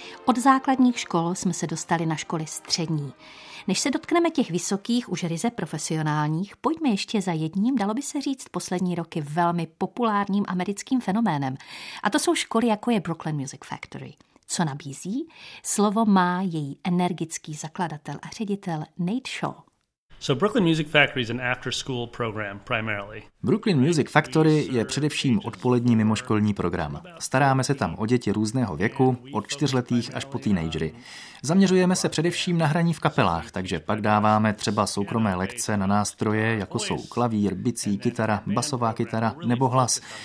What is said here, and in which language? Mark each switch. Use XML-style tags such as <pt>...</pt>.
<cs>Od základních škol jsme se dostali na školy střední. Než se dotkneme těch vysokých, už ryze profesionálních, pojďme ještě za jedním, dalo by se říct, poslední roky velmi populárním americkým fenoménem. A to jsou školy, jako je Brooklyn Music Factory. Co nabízí? Slovo má její energický zakladatel a ředitel Nate Shaw.</cs> <en>So Brooklyn Music Factory is an after-school program primarily.</en> <cs>Brooklyn Music Factory je především odpolední mimoškolní program. Staráme se tam o děti různého věku, od čtyřletých až po teenagery. Zaměřujeme se především na hraní v kapelách, takže pak dáváme třeba soukromé lekce na nástroje, jako jsou klavír, bicí, kytara, basová kytara nebo hlas.</cs>